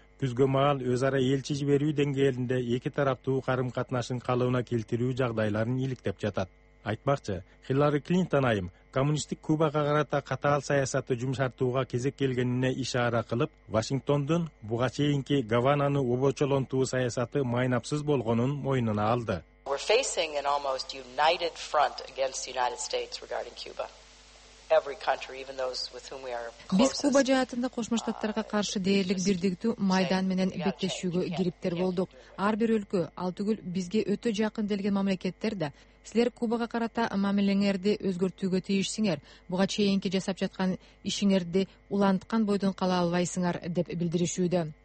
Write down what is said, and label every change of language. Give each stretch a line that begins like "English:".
Kyrgyz: күзгө маал өз ара элчи жиберүү деңгээлинде эки тараптуу карым катнашын калыбына келтирүү жагдайларын иликтеп жатат. Айтмакчы, Хиллари Клинтон айым коммунисттик Кубага карата катаал саясатты жумшартууга кезек келгенине ишара кылып, Вашингтондун буга чейинки Гавананы обочолонтуу саясаты майнапсыз болгонун мойнуна алды.
English: We're facing an almost united front against the United States regarding Cuba. Every country, even those with whom we are closest.
Kyrgyz: Биз Куба жаатында кошмо штаттарга каршы дээрлик бирдиктүү майдан менен беттешүүгө кириптер болдук. Ар бир өлкө, ал түгүл бизге өтө жакын делген мамлекеттер да силер Кубага карата мамилеңерди өзгөртүүгө тийишсиңер. Буга чейинки жасап жаткан ишиңерди уланткан бойдон кала албайсыңар деп билдиришүүдө.